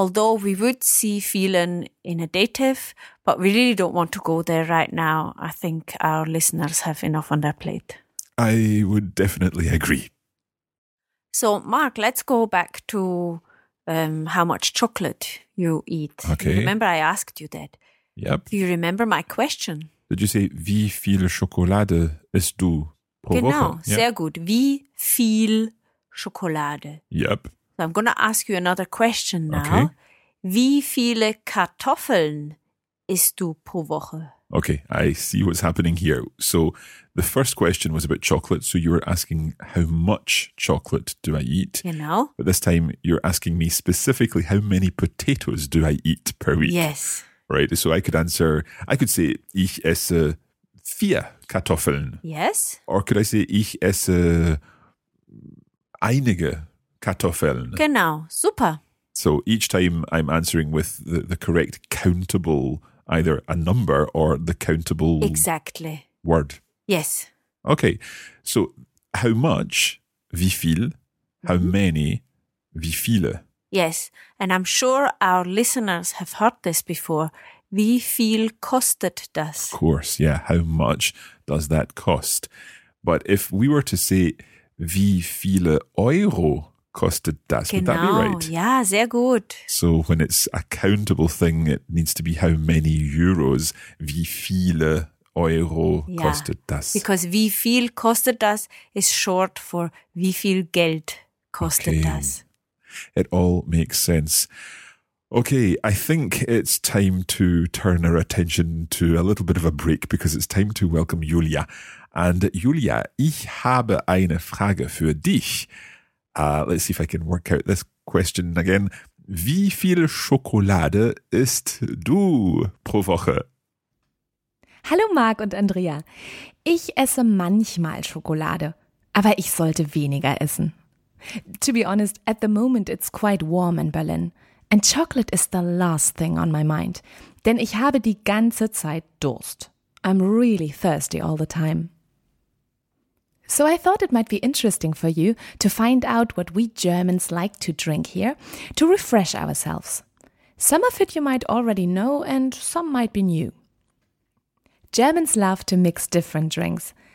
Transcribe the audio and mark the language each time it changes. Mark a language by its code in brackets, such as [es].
[en] Although we would see vielen in a dative, but we really don't want to go there right now. I think our listeners have enough on their plate. I would definitely agree. So, Mark, let's go back to how much chocolate you eat. Okay. You remember I asked you that? Yep. Do you remember my question? Did you say, [de] wie viel Schokolade isst du pro genau, Woche? Genau, sehr gut. Wie viel Schokolade? [en] Yep. So I'm going to ask you another question now. Okay. [de] Wie viele Kartoffeln isst du pro Woche? [en] Okay, I see what's happening here. So the first question was about chocolate. So you were asking, how much chocolate do I eat? [de] Genau. [en] But this time you're asking me specifically, how many potatoes do I eat per week? Yes. Right, so I could answer, I could say, [de] ich esse vier Kartoffeln. [en] Yes. Or could I say, [de] ich esse einige Kartoffeln. Genau, super. [en] So each time I'm answering with the correct countable, either a number or the countable exactly word. Yes. Okay, so how much, [de] wie viel, [en] how many, [de] wie viele. [en] Yes, and I'm sure our listeners have heard this before. [de] Wie viel kostet das? [en] Of course, yeah. How much does that cost? But if we were to say, [de] wie viele Euro kostet das, genau, [en] would that be right? Yeah, [de] sehr gut. [en] So when it's a countable thing, it needs to be how many euros, [de] wie viele Euro kostet das? [en] Because [de] wie viel kostet das [en] is short for [de] wie viel Geld kostet das. [en] It all makes sense. Okay, I think it's time to turn our attention to a little bit of a break because it's time to welcome Julia. And Julia, [de] ich habe eine Frage für dich. [en] Let's see if I can work out this question again. [de] Wie viel Schokolade isst du pro Woche? Hallo Marc und Andrea. Ich esse manchmal Schokolade, aber ich sollte weniger essen. [en] To be honest, at the moment it's quite warm in Berlin. And chocolate is the last thing on my mind. [de] Denn ich habe die ganze Zeit Durst. [en] I'm really thirsty all the time. So I thought it might be interesting for you to find out what we Germans like to drink here to refresh ourselves. Some of it you might already know and some might be new. Germans love to mix different drinks.